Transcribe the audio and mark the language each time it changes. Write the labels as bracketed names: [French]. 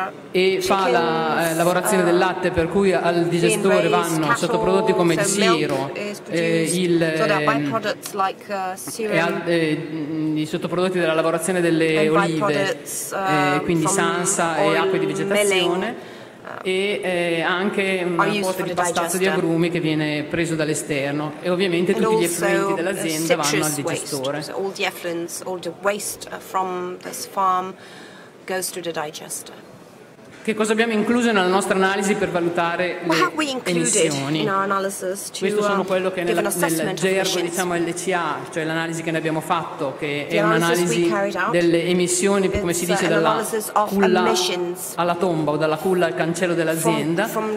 [Italian] e fa la lavorazione del latte, per cui al digestore vanno sottoprodotti come il siero, i sottoprodotti della lavorazione delle olive, quindi sansa e acque di vegetazione, e anche una quota di pastazzo di agrumi che viene preso dall'esterno, e ovviamente tutti gli effluenti dell'azienda vanno al digestore. [English] So all the effluents, all the waste from this farm goes to the digester. [Italian] Che cosa abbiamo incluso nella nostra analisi per valutare le emissioni? Questo sono quello che nel gergo LCA, cioè l'analisi che ne abbiamo fatto, che è un'analisi delle emissioni, come si dice, dalla culla alla tomba o dalla culla al cancello dell'azienda.